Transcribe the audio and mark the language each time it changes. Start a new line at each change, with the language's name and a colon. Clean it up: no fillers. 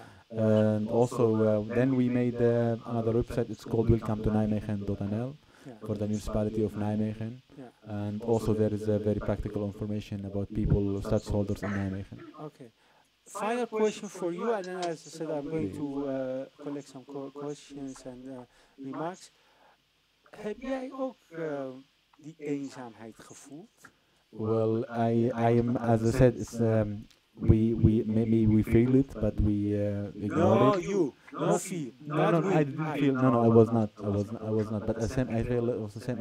English: And also, then we made another website, it's called welcometonijmegen.nl. For the municipality of Nijmegen, and also there is a very practical information about people, status holders in Nijmegen. Okay, final question for you, and then as I said, I'm going to collect some questions and remarks.
Dutch: Heb jij ook die eenzaamheid gevoeld?
English: Well, I am, as I said, it's we maybe feel it, but we ignore it. I was not. But the same, I feel it was the same.